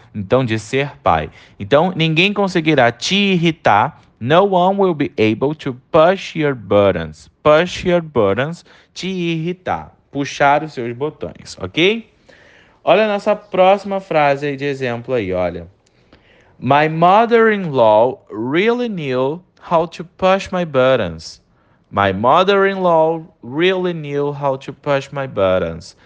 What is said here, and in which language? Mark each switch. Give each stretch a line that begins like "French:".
Portuguese: Então, de ser pai. Então, ninguém conseguirá te irritar.
English: No one will be able to push your buttons. Push your buttons,
Portuguese: te irritar. Puxar os seus botões, ok? Olha a nossa próxima frase aí de exemplo aí, olha.
English: My mother-in-law really knew how to push my buttons. My mother-in-law really knew how to push my buttons.